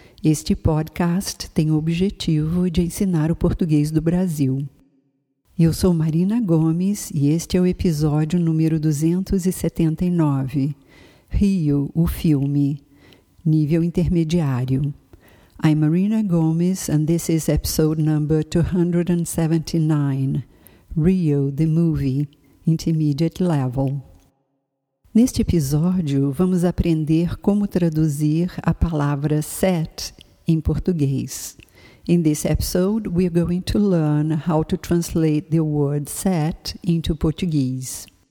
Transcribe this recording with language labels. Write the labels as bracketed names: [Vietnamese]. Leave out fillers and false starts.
[Portuguese] Este podcast tem o objetivo de ensinar o português do Brasil. Eu sou Marina Gomes e este é o episódio número 279. Rio, o filme. Nível intermediário. [English] I'm Marina Gomes and this is episode number 279. Rio, the movie, intermediate level. [Portuguese] Neste episódio, vamos aprender como traduzir a palavra set em português. [English] In this episode, we are going to learn how to translate the word set into Portuguese.